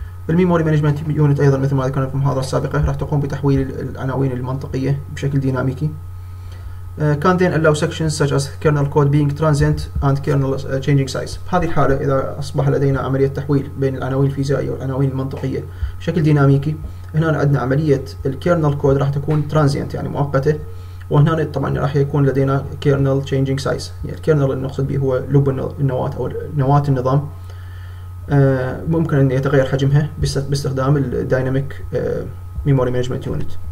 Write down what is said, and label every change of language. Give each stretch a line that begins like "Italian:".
Arabic: الميموري مانجمنت يونت أيضا مثل ما ذكرنا في المحاضرة السابقة راح تقوم بتحويل العناوين المنطقية بشكل ديناميكي.
English: Can then allow sections such as kernel code being transient and kernel changing size.
Arabic: بهذه الحالة إذا أصبح لدينا عملية تحويل بين العناوين الفيزيائية والعناوين المنطقية بشكل ديناميكي، هنا عندنا عملية الكيرنل كود راح تكون ترانزينت يعني مؤقتة، وهنا طبعا راح يكون لدينا كيرنل changing size، يعني الكيرنل اللي نقصد به هو لوب النواة أو نواة النظام، ممكن أن يتغير حجمها باستخدام الدايناميك ميموري مانجمنت يونت.